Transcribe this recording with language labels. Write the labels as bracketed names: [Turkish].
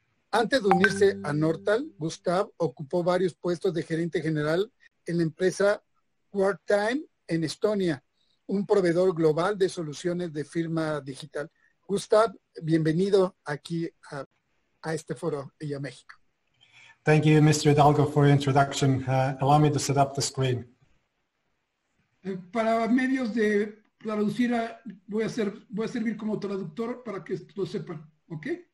[Spanish] Antes de unirse a Nortal, Gustav ocupó varios puestos de gerente general en la empresa Wartime en Estonia, un proveedor global de soluciones de firma digital. Gustav, bienvenido aquí a este foro y a México. [English] Thank you, Mr. Hidalgo, for your introduction. Allow me to set up the screen. [Spanish] Para medios de traducir, voy a servir como traductor para que lo sepan, ¿ok?